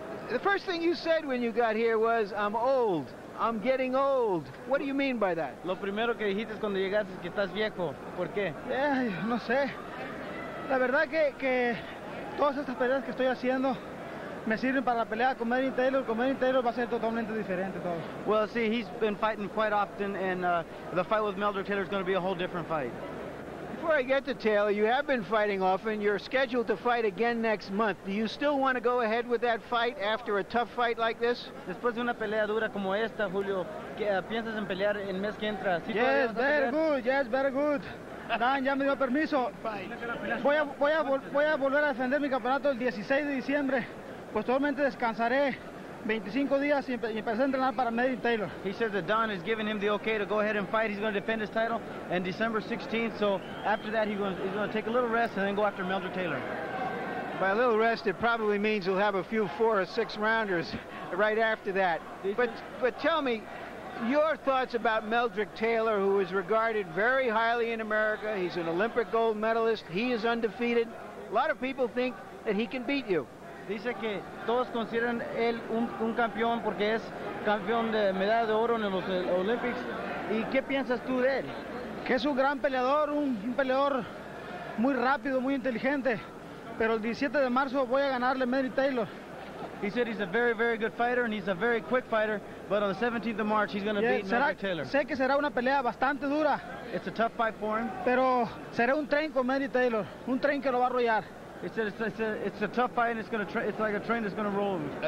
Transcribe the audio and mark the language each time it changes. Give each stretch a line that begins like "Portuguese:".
English: The first thing you said when you got here was, I'm old. I'm getting old. What do you mean by that?
Spanish: Lo primero que dijiste cuando llegaste es que estás viejo. ¿Por qué? No sé. La verdad que todas estas peleas que estoy haciendo me sirven para la pelea con Manny Taylor. Con Manny Taylor va a ser totalmente diferente todo.
English: Well, see, he's been fighting quite often, and the fight with Meldrick Taylor is going to be a whole different fight. Before I get to Taylor, you have been fighting often. You're scheduled to fight again next month. Do you still want to go ahead with that fight after a tough fight like this?
Spanish: Después de una pelea dura como esta, Julio, ¿piensas en pelear el mes que entra?
English: Yes, very good. Yes, very good. Dan,
Spanish: ya me dio permiso. Voy a volver a defender mi campeonato el 16 de diciembre. Posteriormente descansaré 25 días y empezaré a entrenar para Manny Taylor.
English: He says that Don has given him the okay to go ahead and fight. He's going to defend his title on December 16th. So after that, he's going to take a little rest and then go after Meldrick Taylor. By a little rest, it probably means he'll have a few 4 or 6 rounders right after that. But tell me your thoughts about Meldrick Taylor, who is regarded very highly in America. He's an Olympic gold medalist. He is undefeated. A lot of people think that he can beat you.
Spanish: Dice que todos consideran él un campeón porque es campeón de medalla de oro en los Olympics. ¿Y qué piensas tú de él? Que es un gran peleador, un peleador muy rápido, muy inteligente. Pero el 17 de marzo voy a ganarle a Manny Taylor.
English: He said he's a very, very good fighter and he's a very quick fighter. But on the 17th of March, he's going to beat Manny Taylor.
Spanish: Sé que será una pelea bastante dura.
English: It's a tough fight for him.
Spanish: Pero será un tren con Manny Taylor, un tren que lo va a arrollar.
English: He said it's a tough fight, and it's like a train that's going to roll.